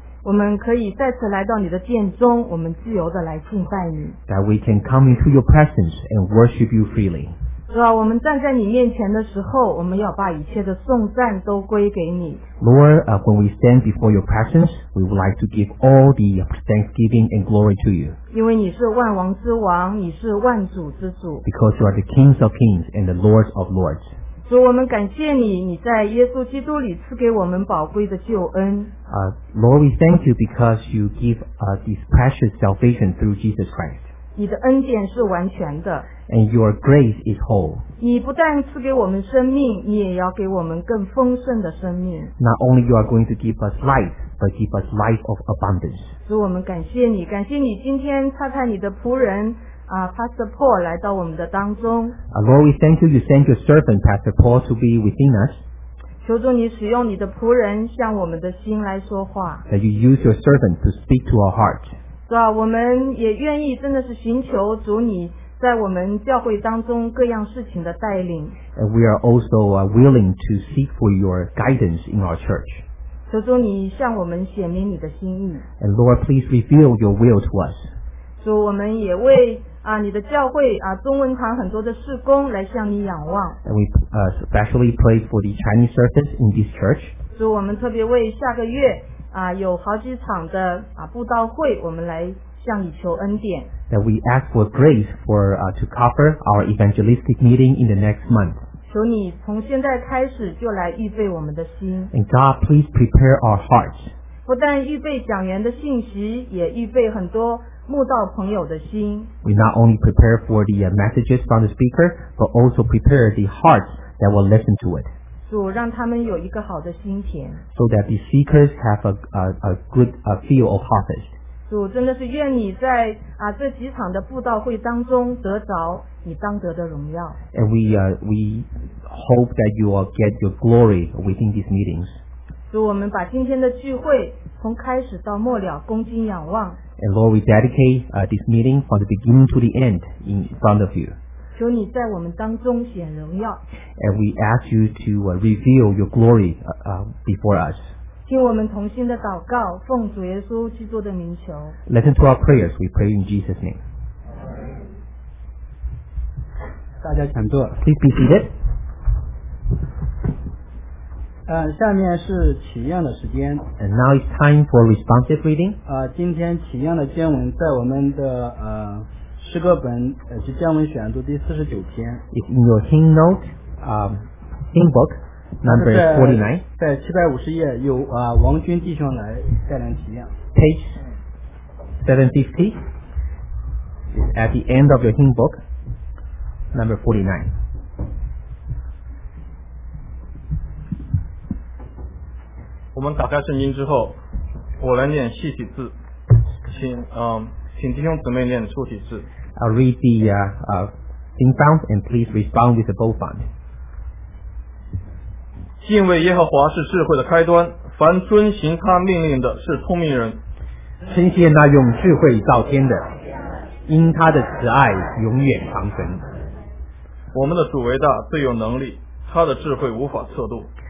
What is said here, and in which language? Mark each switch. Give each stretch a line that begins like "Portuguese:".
Chinese: 我们可以再次来到你的殿中，我们自由地来敬拜你。
English: That we can come into your presence and worship you freely.
Chinese: 主啊，我们站在你面前的时候，我们要把一切的颂赞都归给你。
English: Lord, when we stand before your presence, we would like to give all the thanksgiving and glory to you.
Chinese: 因为你是万王之王，你是万主之主。
English: Because you are the kings of kings and the lords of lords.
Chinese: 主，我们感谢你，你在耶稣基督里赐给我们宝贵的救恩。
English: Lord, we thank you because you give this precious salvation through Jesus Christ.
Chinese: 你的恩典是完全的。
English: And your grace is whole.
Chinese: 你不但赐给我们生命，你也要给我们更丰盛的生命。
English: Not only you are going to give us life, but give us life of abundance.
Chinese: 主，我们感谢你，感谢你今天差派你的仆人。 Pastor Paul 来到我们的当中。
English: Lord, we thank you. You sent your servant Pastor Paul to be within us.
Chinese: 求主你使用你的仆人向我们的心来说话。
English: That you use your servant to speak to our heart.
Chinese: 主啊，我们也愿意真的是寻求主你在我们教会当中各样事情的带领。
English: And we are also willing to seek for your guidance in our church.
Chinese: 求主你向我们显明你的心意。
English: And Lord, please reveal your will to us.
Chinese: 主，我们也为你的教会中文堂很多的事工来向你仰望。
English: And we especially pray for the Chinese service in this church.
Chinese: 主，我们特别为下个月有好几场的布道会，我们来向你求恩典。
English: That we ask for grace for to cover our evangelistic meeting in the next month.
Chinese: 求你从现在开始就来预备我们的心。
English: And God, please prepare our hearts.
Chinese: 不但预备讲员的信息，也预备很多。慕道朋友的心。
English: We not only prepare for the messages from the speaker, but also prepare the hearts that will listen to it.
Chinese: 主，让他们有一个好的心田。
English: So that the seekers have a good feel of harvest.
Chinese: 主，真的是愿你在这几场的布道会当中得着你当得的荣耀。
English: And we hope that you will get your glory within these meetings.
Chinese: 主，我们把今天的聚会从开始到末了恭敬仰望。
English: And Lord, we dedicate this meeting from the beginning to the end in front of you.
Chinese: 求你在我们当中显荣耀。
English: And we ask you to reveal your glory before us.
Chinese: 听我们同心的祷告，奉主耶稣基督的名求。
English: Listen to our prayers. We pray in Jesus' name.
Chinese: 大家请坐。
English: Please be seated.
Chinese: 下面是起样的时间。
English: And now it's time for responsive reading.
Chinese: 今天起样的经文在我们的诗歌本及经文选读第49篇。
English: It's in your hymn note, hymn book. Number 49.
Chinese: 在750页有王军弟兄来带领提炼。
English: Page 750. At the end of your hymn book. Number 49.
Chinese: 我们打开圣经之后，我来念细体字，请弟兄姊妹念粗体字。
English: I'll read the thing found and please respond with the bold font.
Chinese: 敬畏耶和华是智慧的开端，凡遵行他命令的是聪明人。称谢那用智慧造天的，因他的慈爱永远长存。我们的主为大，最有能力，他的智慧无法测度。